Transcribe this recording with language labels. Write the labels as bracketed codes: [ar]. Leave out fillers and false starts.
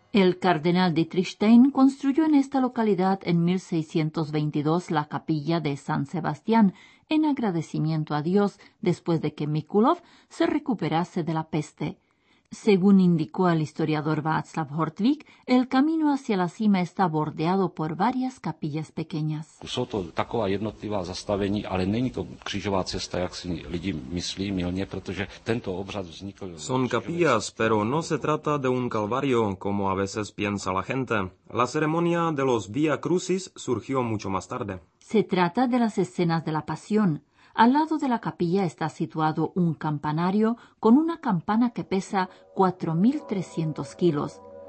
[es] El cardenal Dietrichstein construyó en esta localidad en 1622 la capilla de San Sebastián, en agradecimiento a Dios después de que Mikulov se recuperase de la peste. Según indicó el historiador Václav Hortvík, el camino hacia la cima está bordeado por varias capillas pequeñas. [cs] Jsou to taková jednotlivá zastavení, ale není to křížová cesta, jak si lidi myslí mylně, protože tento obřad vznikl. [es] Son capillas, pero no se trata de un calvario, como a veces piensa la gente. La ceremonia de los Via Crucis surgió mucho más tarde. Se trata de las escenas de la Pasión. Al lado de la capilla está situado un campanario con una campana que pesa 4.300 kilos.